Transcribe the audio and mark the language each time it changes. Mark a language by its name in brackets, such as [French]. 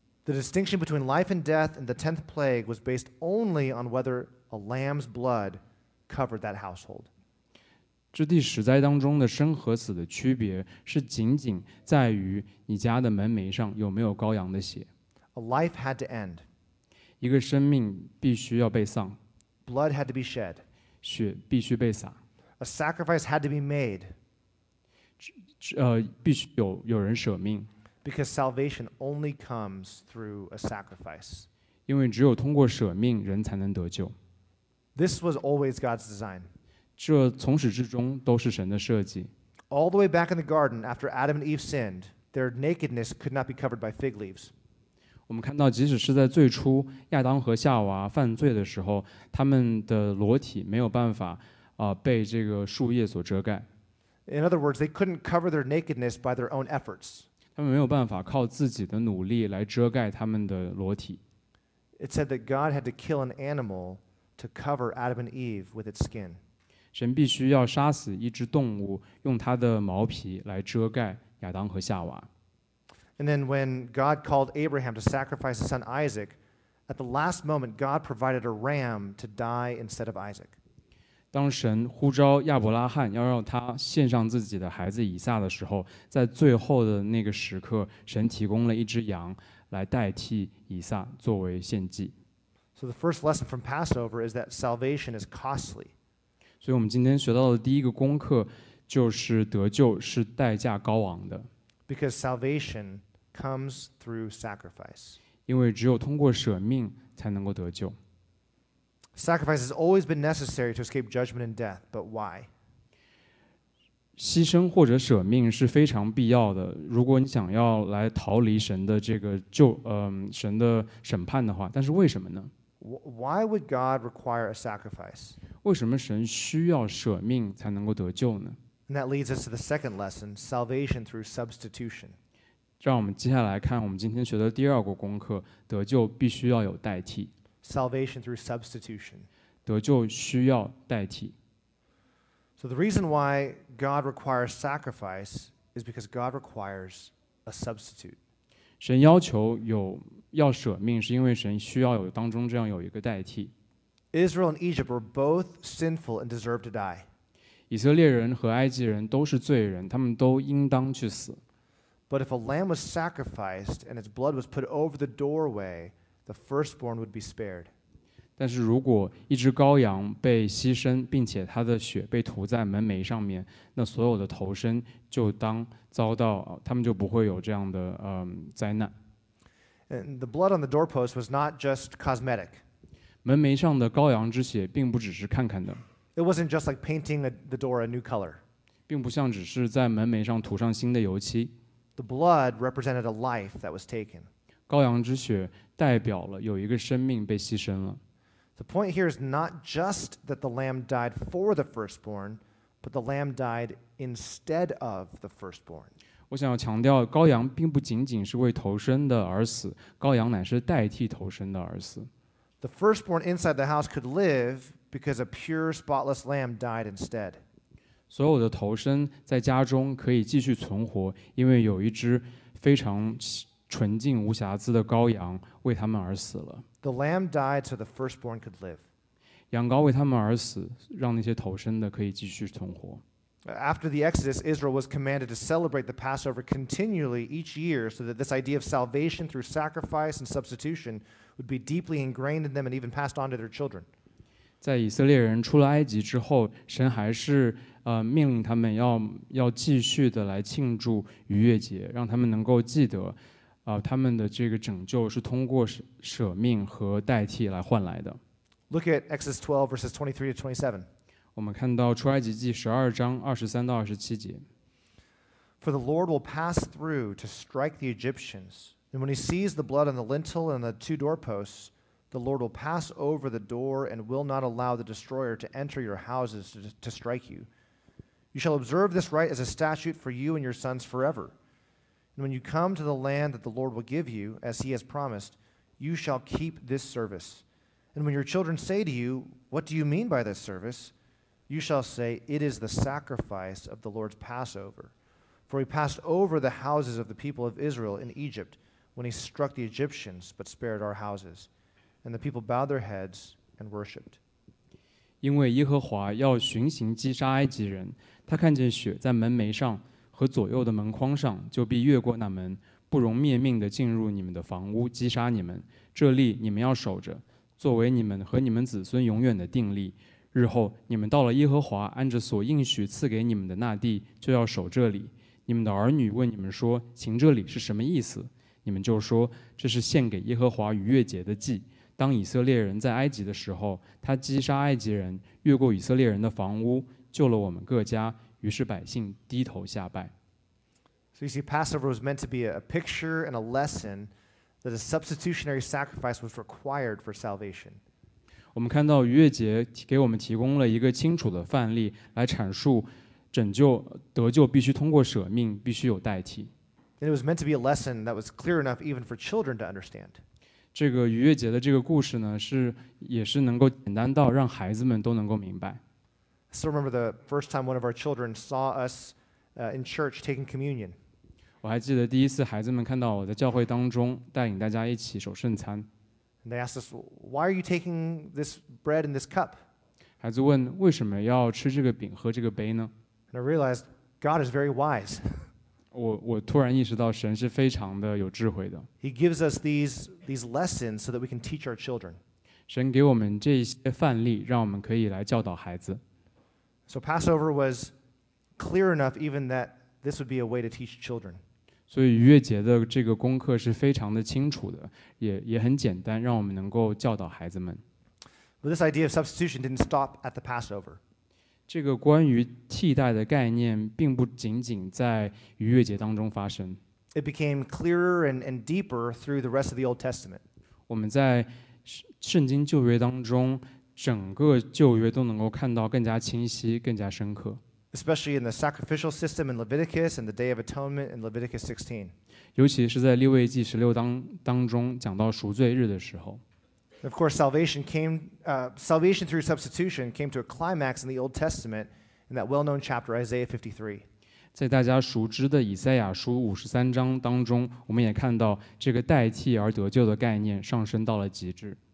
[English] The distinction between life and death in the tenth plague was based only on whether a lamb's blood covered that household. [Chinese] 这第十灾当中的生和死的区别是仅仅在于你家的门楣上有没有羔羊的血。 [English] A life had to end. [Chinese] 一个生命必须要被丧。 [English] Blood had to be shed. [Chinese] 血必须被洒。 [English] A sacrifice had to be made. [Chinese] 必须有人舍命。 [English] Because salvation only comes through a sacrifice. [Chinese] 因为只有通过舍命人才能得救。 [English] This was always God's design. [Chinese] 这从始至终都是神的设计。 [English] All the way back in the garden, after Adam and Eve sinned, their nakedness could not be covered by fig leaves. [Chinese] 我们看到，即使是在最初亚当和夏娃犯罪的时候，他们的裸体没有办法被这个树叶所遮盖。 [English] In other words, they couldn't cover their nakedness by their own efforts. [Chinese] 他们没有办法靠自己的努力来遮盖他们的裸体。 [English] It said that God had to kill an animal to cover Adam and Eve with its skin. [Chinese] 神必须要杀死一只动物，用它的毛皮来遮盖亚当和夏娃。 [English] And then when God called Abraham to sacrifice his son Isaac, at the last moment God provided a ram to die instead of Isaac. [Chinese] 当神呼召亚伯拉罕要让他献上自己的孩子以撒的时候，在最后的那个时刻，神提供了一只羊来代替以撒作为献祭。 [English] So the first lesson from Passover is that salvation is costly. [Chinese] 所以我们今天学到的第一个功课就是得救是代价高昂的。 [English] Because salvation comes through sacrifice. [Chinese] 因为只有通过舍命才能够得救。 [English] Sacrifice has always been necessary to escape judgment and death, but why? [Chinese] 牺牲或者舍命是非常必要的。如果你想要来逃离神的这个救，神的审判的话，但是为什么呢？ [English] Why would God require a sacrifice? [Chinese] 为什么神需要舍命才能够得救呢？ [English] And that leads us to the second lesson, salvation through substitution. [Chinese] 让我们接下来看我们今天学的第二个功课，得救必须要有代替。 [English] Salvation through substitution. [Chinese] 得救需要代替。 [English] So the reason why God requires sacrifice is because God requires a substitute. [Chinese] 神要求有要舍命是因为神需要有当中这样有一个代替。 [English] Israel and Egypt were both sinful and deserved to die. [Chinese] 以色列人和埃及人都是罪人，他们都应当去死。 [English] But if a lamb was sacrificed and its blood was put over the doorway, the firstborn would be spared. [Chinese] 但是如果一只羔羊被牺牲，并且它的血被涂在门楣上面，那所有的头生就当遭到，他们就不会有这样的灾难。 [English] And the blood on the doorpost was not just cosmetic. [Chinese] 门楣上的羔羊之血并不只是看看的。 [English] It wasn't just like painting the door a new color. [Chinese] 并不像只是在门楣上涂上新的油漆。 [English] The blood represented a life that was taken. [Chinese] 羔羊之血代表了有一个生命被牺牲了。 [English] The point here is not just that the lamb died for the firstborn, but the lamb died instead of the firstborn. [Chinese] 我想要强调，羔羊并不仅仅是为头身的而死，羔羊乃是代替头身的而死。 [English] The firstborn inside the house could live because a pure, spotless lamb died instead. [Chinese] 所有的头身在家中可以继续存活，因为有一只非常纯净无瑕疵的羔羊为他们而死了。 [English] The lamb died so the firstborn could live. [Chinese] 羊羔为他们而死，让那些头身的可以继续存活。 [English] After the Exodus, Israel was commanded to celebrate the Passover continually each year so that this idea of salvation through sacrifice and substitution would be deeply ingrained in them and even passed on to their children. [Chinese] 在以色列人出了埃及之后，神还是命令他们要继续的来庆祝逾越节，让他们能够记得他们的这个拯救是通过舍命和代替来换来的。 [English] Look at Exodus 12 verses 23 to 27. [Chinese] 我们看到出埃及记十二章二十三到二十七节。 [English] For the Lord will pass through to strike the Egyptians, and when he sees the blood on the lintel and the two doorposts, the Lord will pass over the door and will not allow the destroyer to enter your houses to strike you. You shall observe this rite as a statute for you and your sons forever. And when you come to the land that the Lord will give you, as he has promised, you shall keep this service. And when your children say to you, What do you mean by this service? You shall say, It is the sacrifice of the Lord's Passover. For he passed over the houses of the people of Israel in Egypt when he struck the Egyptians, but spared our houses. And the people bowed their heads and worshipped. [Chinese] 因为耶和华要巡行击杀埃及人，他看见血在门楣上和左右的门框上，就必越过那门，不容灭命地进入你们的房屋击杀你们。这例你们要守着，作为你们和你们子孙永远的定例。日后你们到了耶和华按着所应许赐给你们的那地，就要守这里。你们的儿女问你们说，行这里是什么意思？你们就说，这是献给耶和华逾越节的祭。当以色列人在埃及的时候，他击杀埃及人，越过以色列人的房屋，救了我们各家。于是百姓低头下拜。 [English] So you see, Passover was meant to be a picture and a lesson that a substitutionary sacrifice was required for salvation. [Chinese] 我们看到逾越节给我们提供了一个清楚的范例，来阐述拯救得救必须通过舍命，必须有代替。 [English] And it was meant to be a lesson that was clear enough even for children to understand. [Chinese] 这个逾越节的这个故事呢，是也是能够简单到让孩子们都能够明白。 [English] I still remember the first time one of our children saw us in church taking communion. [Chinese] 我还记得第一次孩子们看到我在教会当中带领大家一起守圣餐。 [English] And they asked us, why are you taking this bread and this cup? [Chinese] 孩子问，为什么要吃这个饼喝这个杯呢？ [English] And I realized, God is very wise. [Chinese] 我突然意识到神是非常的有智慧的。 [English] He gives us these lessons so that we can teach our children. [Chinese] 神给我们这些范例，让我们可以来教导孩子。 [English] So Passover was clear enough even that this would be a way to teach children. [Chinese] 所以逾越节的这个功课是非常的清楚的，也很简单，让我们能够教导孩子们。 [English] But this idea of substitution didn't stop at the Passover. [Chinese] 这个关于替代的概念并不仅仅在逾越节当中发生。 [English] It became clearer and deeper through the rest of the Old Testament. [Chinese] 我们在圣经旧约当中，整个旧约都能够看到更加清晰，更加深刻。 [English] Especially in the sacrificial system in Leviticus and the Day of Atonement in Leviticus 16. [Chinese] 尤其是在立位记十六当中讲到赎罪日的时候。 [English] Of course, salvation through substitution came to a climax in the Old Testament in that well-known chapter Isaiah 53. [Chinese] 在大家熟知的以赛亚书五十三章当中，我们也看到这个代替而得救的概念上升到了极致。